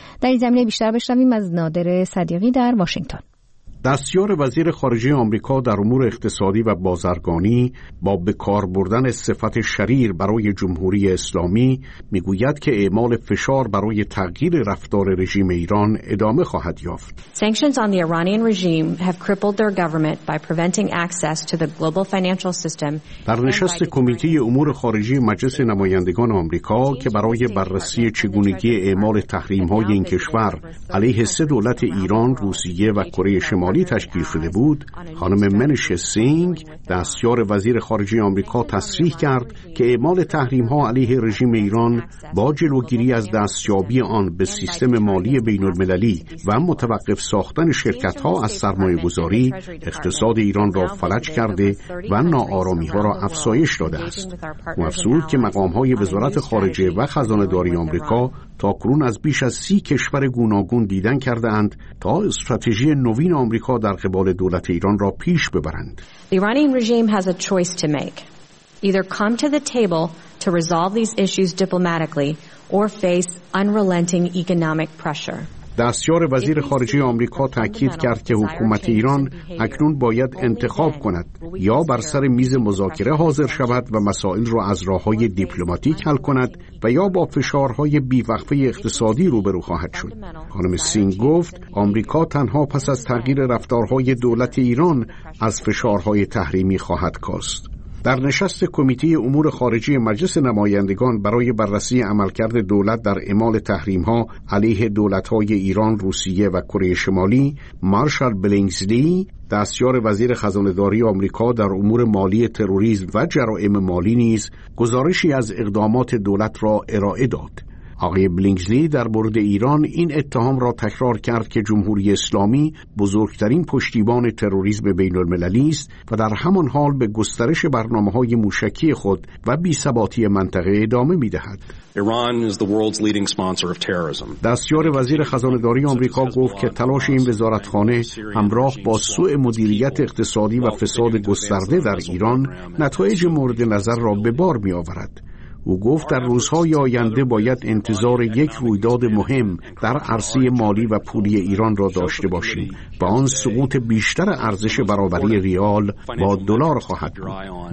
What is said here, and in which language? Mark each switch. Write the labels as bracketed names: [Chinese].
[Persian] در این زمینه بیشتر بشنویم از نادر صدیقی در واشنگتن. دستیار وزیر خارجه آمریکا در امور اقتصادی و بازرگانی با بکار بردن صفت شریر برای جمهوری اسلامی میگوید که اعمال فشار برای تغییر رفتار رژیم ایران ادامه خواهد یافت. [English] Sanctions on the Iranian regime have crippled their government by preventing access to the global financial system. [Persian] در نشست کمیته امور خارجی مجلس نمایندگان آمریکا که برای بررسی چگونگی اعمال تحریم‌های این کشور علیه سه دولت ایران، روسیه و کره شمالی مالی تشکیل شده بود، خانم منش سینگ دستیار وزیر خارجه آمریکا تصریح کرد که اعمال تحریم ها علیه رژیم ایران با جلوگیری از دستیابی آن به سیستم مالی بین المللی و متوقف ساختن شرکت ها از سرمایه گذاری اقتصاد ایران را فلج کرده و ناآرامی ها را افزایش داده است. افزود که مقام های وزارت خارجه و خزانه داری آمریکا تا کنون از بیش از 30 کشور گوناگون دیدن کرده اند تا استراتژی نوین آمریکا در قبال دولت ایران را پیش ببرند. [English] Iranian regime has a choice to make. Either come to the table to resolve these issues diplomatically or face unrelenting economic pressure. [Persian] دستیار وزیر خارجه آمریکا تاکید کرد که حکومت ایران اکنون باید انتخاب کند یا بر سر میز مذاکره حاضر شود و مسائل را از راه‌های دیپلماتیک حل کند و یا با فشارهای بی‌وقفه اقتصادی روبرو خواهد شد. خانم سینگ گفت آمریکا تنها پس از تغییر رفتارهای دولت ایران از فشارهای تحریمی خواهد کاست. در نشست کمیته امور خارجی مجلس نمایندگان برای بررسی عملکرد دولت در اعمال تحریم‌ها علیه دولت‌های ایران، روسیه و کره شمالی، مارشال بلینگزلی، دستیار وزیر خزانه‌داری آمریکا در امور مالی تروریسم و جرائم مالی نیز گزارشی از اقدامات دولت را ارائه داد. آقای بلینگزلی در مورد ایران این اتهام را تکرار کرد که جمهوری اسلامی بزرگترین پشتیبان تروریسم بین المللی است و در همان حال به گسترش برنامه‌های موشکی خود و بی‌ثباتی منطقه ادامه می‌دهد. [English] Iran is the world's leading sponsor of terrorism. [Persian] دستیار وزیر خزانه‌داری آمریکا گفت که تلاش این وزارتخانه همراه با سوء مدیریت اقتصادی و فساد گسترده در ایران نتایج مورد نظر را به بار می‌آورد. او گفت در روزهای آینده باید انتظار یک رویداد مهم در عرصه مالی و پولی ایران را داشته باشیم و آن سقوط بیشتر ارزش برابری ریال با دلار خواهد بود.